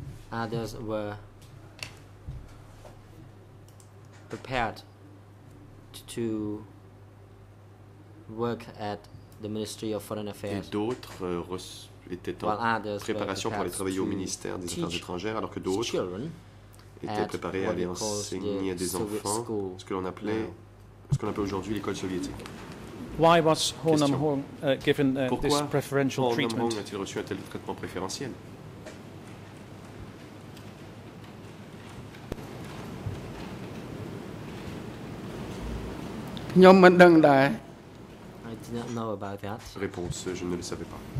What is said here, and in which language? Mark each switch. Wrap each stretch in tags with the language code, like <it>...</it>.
<en>Others were prepared to work at the Ministry of Foreign Affairs.</en> <fr>Et d'autres étaient en préparation pour aller travailler au ministère des Affaires étrangères, alors que d'autres était préparé à aller enseigner à des enfants ce que l'on appelait aujourd'hui l'école soviétique.</fr> <en>Why was Ho Nam Hong given this preferential treatment?</en> <fr>Pourquoi Ho Nam Hong a-t-il reçu un tel traitement préférentiel?</fr> <en>I did not know about that.</en> <fr>Réponse, je ne le savais pas.</fr>